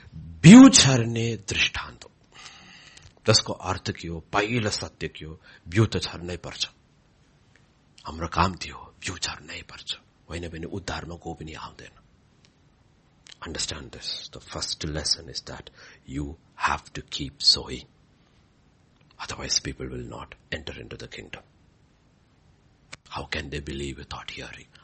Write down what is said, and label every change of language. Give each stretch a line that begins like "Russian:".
Nepali: बिउ छर्ने दृष्टान्त, जसको अर्थ के हो? पहिलो सत्य के हो? बिउ त छर्नै पर्छ, हाम्रो काम त्यो हो, बिउ छर्नै पर्छ, होइन भने उद्धारमा को पनि आउँदैन।
English: Understand this, the first lesson is that you have to keep sowing, otherwise people will not enter into the kingdom. How can they believe without hearing?